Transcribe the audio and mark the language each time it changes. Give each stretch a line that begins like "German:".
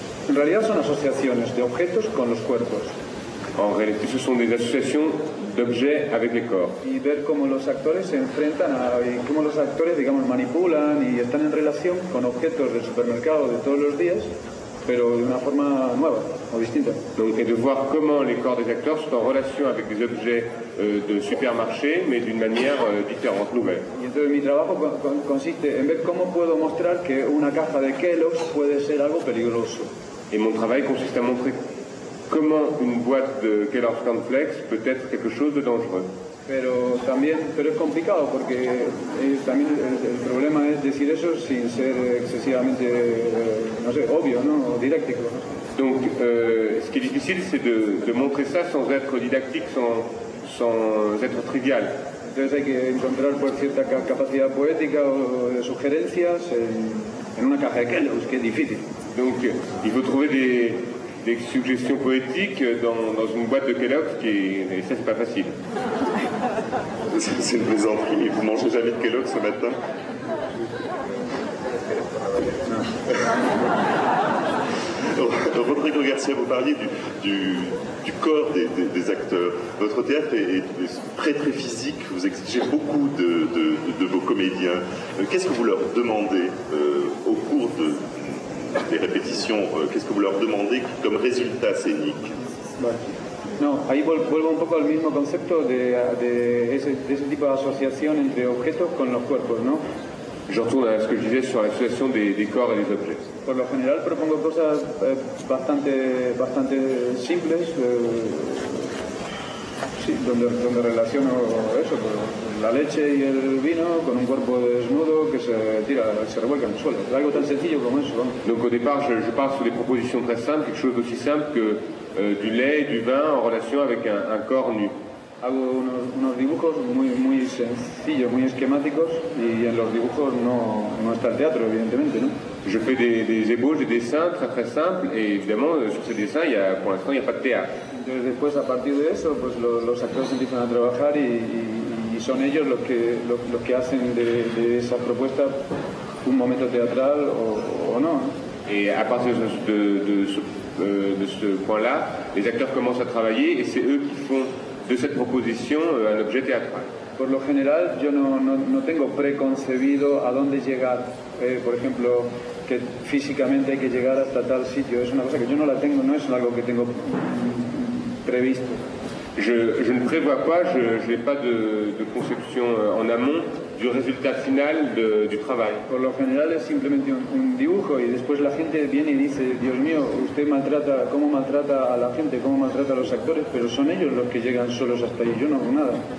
Spanish: En realidad son asociaciones de objetos con los cuerpos.
French: En réalité, ce sont des associations d'objets avec les corps.
Spanish: Y ver cómo los actores se enfrentan y cómo los actores, digamos, manipulan y están en relación con objetos del supermercado de todos los días, pero de una forma nueva o distinta.
French: Donc, et de voir comment les corps des acteurs sont en relation avec des objets de supermarché, mais d'une manière différente, nouvelle.
Spanish: Y entonces mi trabajo consiste en ver cómo puedo mostrar que una caja de Kellogg's puede ser algo peligroso.
French: Et mon travail consiste à montrer comment une boîte de Kellogg's Cornflakes peut être quelque chose de dangereux.
Spanish: Pero también, pero es complicado porque también el problema es decir eso sin ser excesivamente, no sé, obvio, ¿no? Didáctico.
French: Donc, ce qui est difficile, c'est de montrer ça sans être didactique, sans être trivial.
Spanish: Entonces hay que encontrar pues, cierta capacidad poética o de sugerencias en una caja de Kellogg's, que es difícil.
French: Donc, il faut trouver des suggestions poétiques dans une boîte de Kellogg's, et ça, c'est pas facile. C'est une plaisanterie, mais vous mangez jamais de Kellogg's ce matin? Rodrigo Garcia, vous parliez du corps des acteurs. Votre théâtre est très très physique, vous exigez beaucoup de vos comédiens. Qu'est-ce que vous leur demandez au cours des répétitions, qu'est-ce que vous leur demandez comme résultat scénique?
Spanish: No, ahí vuelvo un poco al mismo concepto de ese tipo d'association entre objetos con los cuerpos, ¿no?
French: Je retourne à ce que je disais sur l'association des corps et des objets.
Spanish: Por lo general, propongo cosas bastante simples, sí, donde relaciono eso, con la leche y el vino, con un cuerpo desnudo que se revuelca en el suelo. Algo tan sencillo como eso. ¿No?
French: Donc au départ, je pars sur des propositions très simples, quelque chose d'aussi simple que du lait et du vin en relation avec un corps nu.
Spanish: Hago unos dibujos muy sencillos, muy esquemáticos, y en los dibujos no está el teatro, evidentemente, ¿no?
French: Je fais des ébauches, des dessins très simples, et évidemment, sur ces dessins, pour l'instant, il n'y a pas de théâtre.
Spanish: Entonces, después, a partir de eso, pues los actores empiezan a trabajar y son ellos los que hacen de esa propuesta un momento teatral o no.
French: Et à partir de ce point-là, les acteurs commencent à travailler, et c'est eux qui font de cette proposition un objet théâtral.
Spanish: Por lo general, yo no tengo preconcebido a dónde llegar, por ejemplo, que físicamente hay que llegar hasta tal sitio. Es una cosa que yo no la tengo, no es algo que tengo previsto.
French: Je ne prévois pas, je n'ai pas de conception en amont du résultat final du travail.
Spanish: Por lo general es simplemente un dibujo y después la gente viene y dice, Dios mío, usted maltrata, ¿cómo maltrata a la gente? ¿Cómo maltrata a los actores? Pero son ellos los que llegan solos hasta ahí, yo no hago nada.